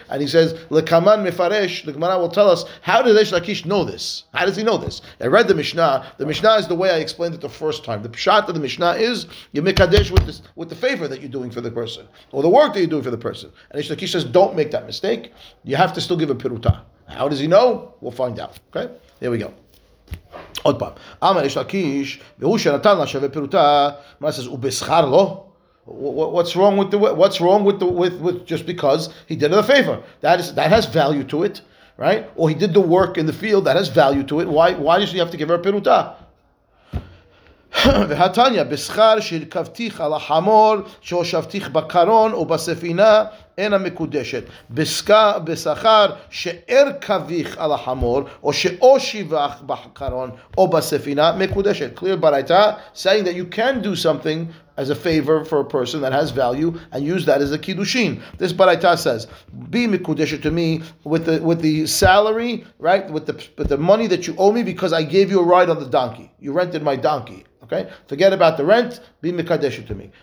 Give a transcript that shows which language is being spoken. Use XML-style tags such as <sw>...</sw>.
<en>And he says,</en> <he>lekaman mefaresh,</he> <en>the Gemara will tell us, how did Reish Lakish know this? How does he know this? I read the Mishnah. The Mishnah is the way I explained it the first time. The pshat of the Mishnah is, you mikadesh with the favor that you're doing for the person, or the work that you're doing for the person. And Reish Lakish says, don't make that mistake. You have to still give a peruta. How does he know? We'll find out. Okay? Here we go.</en> <he>עוד פעם, אמר יש לקיש, והוא שנתן לה שווה פירוטה, מה זה, הוא בשכר לו?</he> <en>What's wrong with the what's wrong with just because he did it a favor? That has value to it, right? Or he did the work in the field, that has value to it. Why does he have to give her a פירוטה?</en> <he>והתניה, בשכר שהרכבתיך על החמור, שהושבתיך בקרון או בספינה, אינה מקודשת. בשכר שהרכביך על החמור, או שאושיבך בקרון או בספינה, מקודשת.</he> <en>Clear baraita, saying that you can do something as a favor for a person that has value and use that as a kiddushin. This baraita says, be mekudeshet to me with the salary, right? With the money that you owe me because I gave you a ride on the donkey. You rented my donkey. Okay, forget about the rent, be mekadeshu to me.</en>